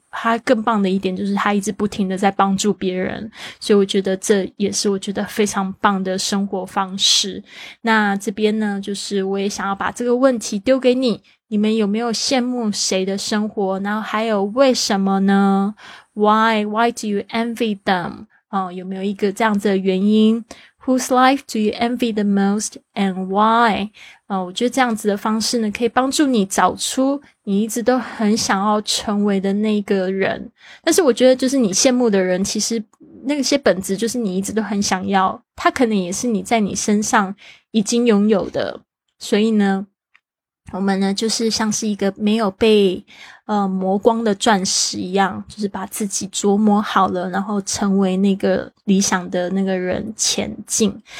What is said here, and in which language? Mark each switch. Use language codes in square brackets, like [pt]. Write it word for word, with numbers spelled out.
[zh] 她更棒的一点就是她一直不停的在帮助别人，所以我觉得这也是我觉得非常棒的生活方式。那这边呢，就是我也想要把这个问题丢给你，你们有没有羡慕谁的生活？然后还有为什么呢？ [en] Why? Why do you envy them? [zh] 哦，有没有一个这样子的原因？ [en] Whose life do you envy the most and why? [zh] 哦，我觉得这样子的方式呢，可以帮助你找出你一直都很想要成为的那个人。但是我觉得就是你羡慕的人，其实那些本质就是你一直都很想要，它可能也是你在你身上已经拥有的。所以呢，我们呢就是像是一个没有被呃磨光的钻石一样，就是把自己琢磨好了，然后成为那个理想的那个人前进。